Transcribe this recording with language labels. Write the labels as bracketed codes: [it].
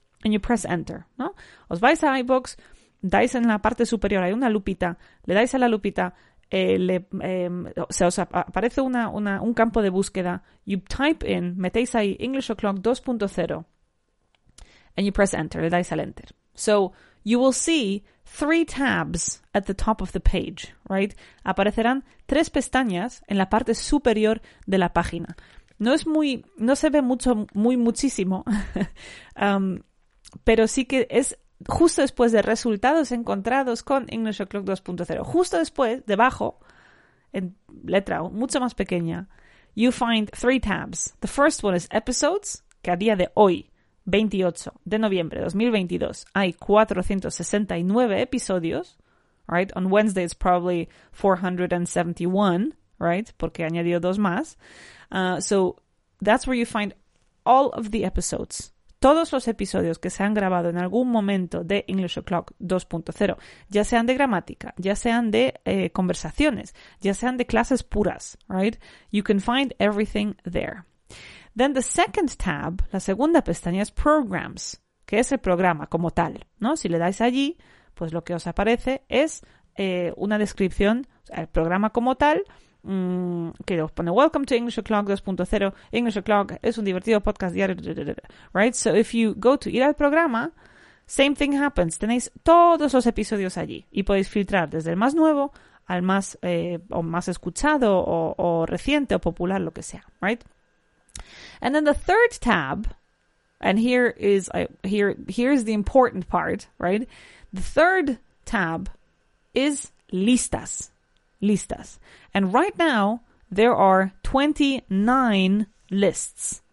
[en] and you press enter, [es] ¿no? Os vais a iVoox, dais en la parte superior, hay una lupita, le dais a la lupita, aparece un campo de búsqueda, [en] you type in, [es] metéis ahí English O'Clock 2.0, and you press enter, le dais al enter. [en] So, you will see 3 tabs at the top of the page, right? [es] Aparecerán 3 pestañas en la parte superior de la página. No se ve muchísimo, pero sí que es justo después de resultados encontrados con English O'Clock 2.0. Justo después, debajo, en letra mucho más pequeña, [en] you find 3 tabs. The first one is episodes, [es] que a día de hoy, 28 de noviembre de 2022, hay 469 episodios, right? [en] On Wednesday it's probably 471, right? [es] Porque añadió 2 más. [en] So that's where you find all of the episodes. [es] Todos los episodios que se han grabado en algún momento de English O'Clock 2.0, ya sean de gramática, ya sean de conversaciones, ya sean de clases puras, right? [en] You can find everything there. Then the second tab, [es] la segunda pestaña, es Programs, que es el programa como tal, ¿no? Si le dais allí, pues lo que os aparece es una descripción, o sea, el programa como tal, que os pone Welcome to English O'Clock 2.0, English O'Clock es un divertido podcast diario, right? [en] So if you go to [es] ir al programa, [en] same thing happens. [es] Tenéis todos los episodios allí y podéis filtrar desde el más nuevo al más o más escuchado o reciente o popular, lo que sea, right? [en] And then the third tab, and here's the important part, right? The third tab is listas. And right now, there are 29 lists.